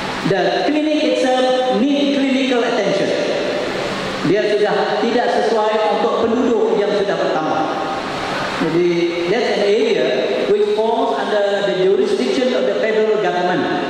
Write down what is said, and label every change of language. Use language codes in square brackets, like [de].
[en] The clinic itself need clinical attention. [ms] Dia sudah tidak sesuai untuk penduduk yang sudah bertambah. [en] Jadi, that's an area which falls under the jurisdiction of the federal government.